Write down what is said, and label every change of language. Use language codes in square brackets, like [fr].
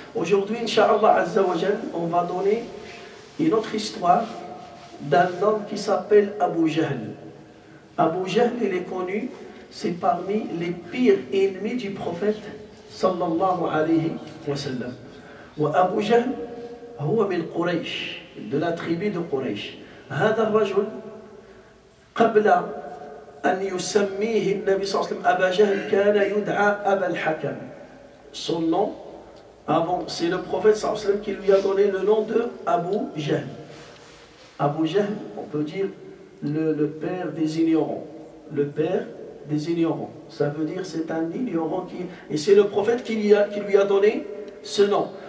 [fr] Aujourd'hui, Inch'Allah Azza wa Jal, on va donner une autre histoire d'un homme qui s'appelle Abu Jahl. Abu Jahl, il est connu, c'est parmi les pires ennemis du prophète sallallahu alayhi wa sallam. Abu Jahl, [ar] huwa min [fr] Quraysh, de la tribu de Quraysh. [ar] هذا الرجل قبل أن يسميه النبي صلى الله عليه وسلم أبا جهل كان يدعى أبا الحكم. [fr] Son nom avant, c'est le prophète [ar] صلى الله عليه وسلم [fr] qui lui a donné le nom de Abu Jahl. Abu Jahl, on peut dire le père des ignorants. Le père des ignorants. Ça veut dire c'est un ignorant qui, et c'est le prophète qui lui a donné ce nom.